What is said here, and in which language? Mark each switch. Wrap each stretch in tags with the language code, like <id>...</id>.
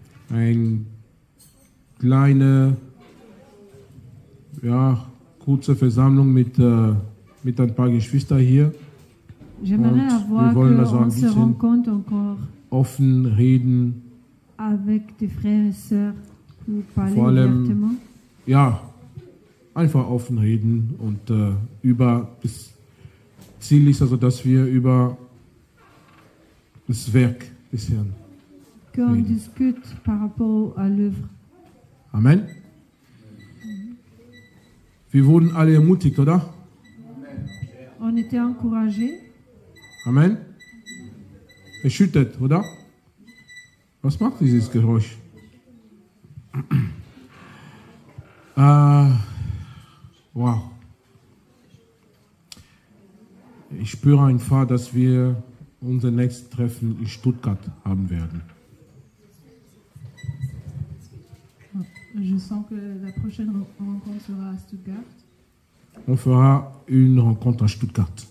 <de>ein kleine, ja, kurze Versammlung mit ein paar Geschwister hier. Wir wollen also ein bisschen offen reden.</de> <fr>Avec des frères et sœurs,</fr> <de>vor allem, ja, einfach offen reden und über das Ziel ist also, dass wir über das Werk des Herrn.</de> <fr>Qu'on discute par rapport à l'œuvre. Amen.</fr> <de>Wir wurden alle ermutigt, oder?</de> <fr>On était encouragés.</fr> <de>Amen. Erschüttert, oder? Was macht dieses Geräusch? Wow. Ich spüre einfach, dass wir unser nächstes Treffen in Stuttgart haben werden.</de> <fr>Je sens que la prochaine rencontre sera à Stuttgart. On fera une rencontre à Stuttgart.</fr>